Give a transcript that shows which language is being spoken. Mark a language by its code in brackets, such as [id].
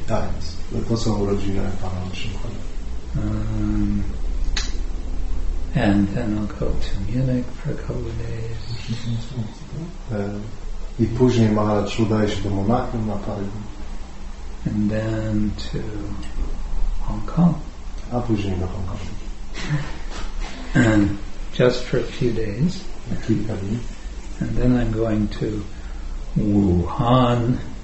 [pl] Tak, to są urodziny pana Szymchana. [en] And then I'll go to Munich for a couple of days. [pl] I później Maharaj udaje się do Monachium na parę dni. [en] And then to Hong Kong. [pl] A później do Hong Kong. [en] And just for a few days. [pl] A kilka dni. [en] And then I'm going to Wuhan.